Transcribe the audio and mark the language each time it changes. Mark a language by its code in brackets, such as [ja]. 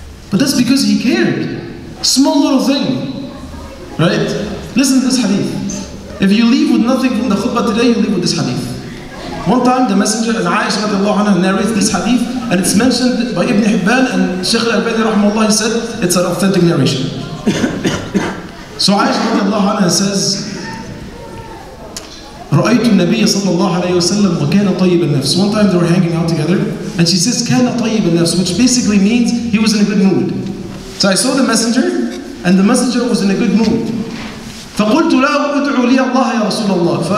[en] But that's because he cared. Small little thing. Right? Listen to this hadith. If you leave with nothing from the khutbah today, you leave with this hadith. One time, the Messenger and Aisha radiallahu anha narrates this hadith, and it's mentioned by Ibn Hibban, and Shaykh al-Albani rahimahullah said it's an authentic narration. So Aisha radiallahu anha says, [ar] رأيت النبي صلى الله عليه وسلم وكان طيب النفس. [en] One time they were hanging out together, and she says [ar] كان طيب النفس, [en] which basically means he was in a good mood. So I saw the Messenger, and the Messenger was in a good mood. [ar] فقلت له ادعوا لي الله يا رسول الله.